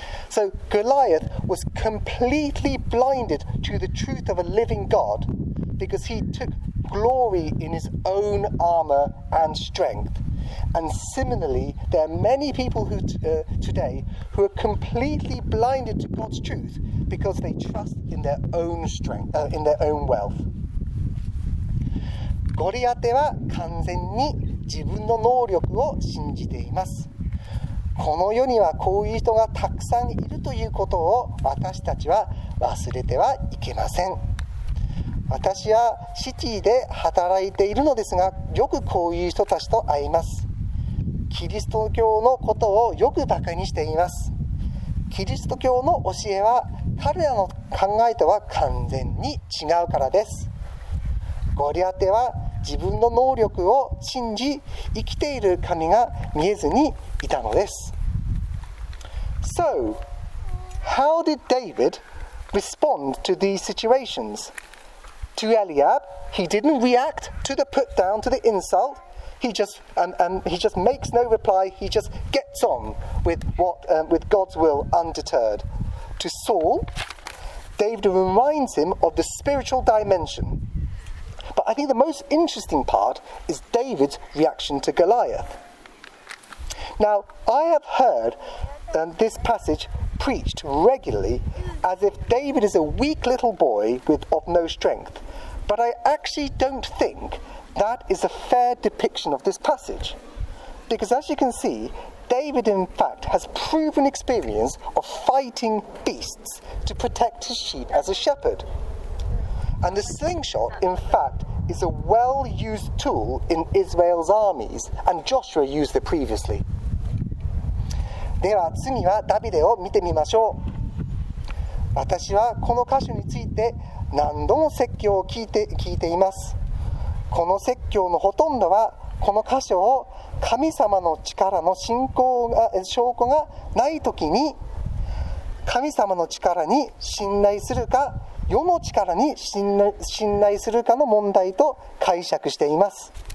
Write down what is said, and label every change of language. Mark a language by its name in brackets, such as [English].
[English] So Goliath was completely blinded to the truth of a living God because he took glory in his own armor and strength. And similarly, there are many people today who are completely blinded to God's truth because they trust in their own strength, in their own wealth. [Japanese] ゴリアテは完全に自分の能力を信じています。この世にはこういう人がたくさんいるということを私たちは忘れてはいけません。私はシティで働いているのですが、よくこういう人たちと会います。キリスト教のことをよくバカにしています。キリスト教の教えは彼らの考えとは完全に違うからです。ゴリアテは自分の能力を信じ、生きている神が見えずにいたのです。 [English] So, how did David respond to these situations? To Eliab, he didn't react to the put down, to the insult. He just makes no reply. He just gets on with with God's will undeterred. To Saul, David reminds him of the spiritual dimension. But I think the most interesting part is David's reaction to Goliath. Now, I have heard this passage preached regularly as if David is a weak little boy of no strength. But I actually don't think that is a fair depiction of this passage. Because as you can see, David, in fact, has proven experience of fighting beasts to protect his sheep as a shepherd. And the slingshot, in fact, is a well-used tool in Israel's armies, and Joshua used it previously. [Japanese] では次はダビデを見てみましょう。私はこの箇所について何度も説教を聞いています。この説教のほとんどはこの箇所を神様の力の信仰が証拠がないときに神様の力に信頼するか世の力に信頼するかの問題と解釈しています。